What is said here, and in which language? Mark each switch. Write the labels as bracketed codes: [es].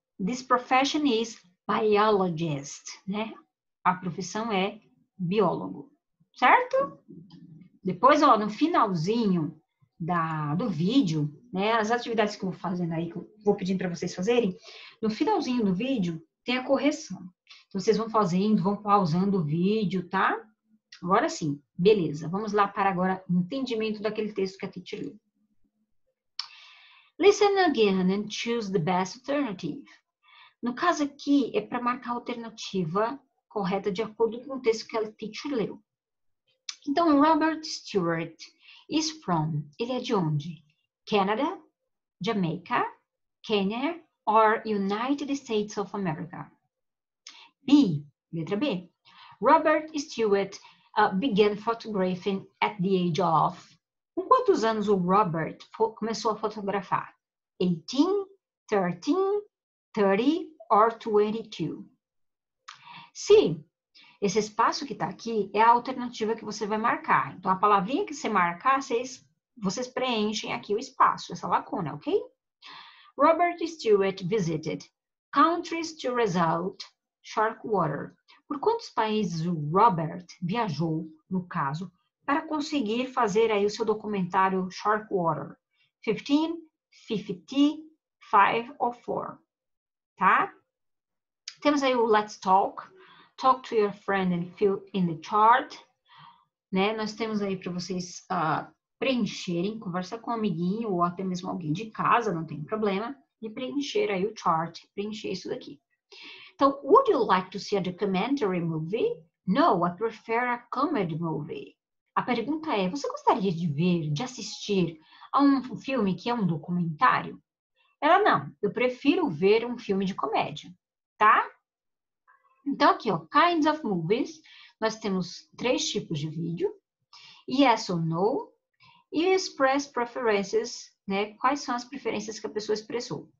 [en] This profession is biologist, [pt] né? A profissão é biólogo, certo? Depois, ó, no finalzinho do vídeo, né? As atividades que eu vou fazendo aí, que eu vou pedindo para vocês fazerem, no finalzinho do vídeo tem a correção. Então, vocês vão fazendo, vão pausando o vídeo, tá? Agora sim, beleza. Vamos lá para agora o entendimento daquele texto que a teacher leu. [en] Listen again and choose the best alternative. [pt] No caso aqui, é para marcar a alternativa correta de acordo com o texto que a teacher leu. Então, [en] Robert Stewart is from. [pt] Ele é de onde? Canada, Jamaica, Kenya or United States of America? B. Letra B. [en] Robert Stewart began photographing at the age of. [pt] Com quantos anos o Robert começou a fotografar? [en] 18, 13, 30 or 22? C. [pt] Esse espaço que está aqui é a alternativa que você vai marcar. Então, a palavrinha que você marcar, vocês preenchem aqui o espaço, essa lacuna, ok? [en] Robert Stewart visited countries to result shark water. [pt] Por quantos países o Robert viajou, no caso, para conseguir fazer aí o seu documentário Shark Water? 15, 50, 5 ou 4? Tá? Temos aí o [en] Let's Talk. Talk to your friend and fill in the chart. [pt] Né? Nós temos aí para vocês preencherem, conversa com um amiguinho ou até mesmo alguém de casa, não tem problema, e preencher aí o chart, preencher isso daqui. Então, [en] would you like to see a documentary movie? No, I prefer a comedy movie. [pt] A pergunta é, você gostaria de ver, de assistir a um filme que é um documentário? Ela, não, eu prefiro ver um filme de comédia, tá? Então, aqui, ó, [en] kinds of movies, [pt] nós temos três tipos de vídeo, [en] yes or no, [pt] e [en] express preferences, [pt] né, quais são as preferências que a pessoa expressou.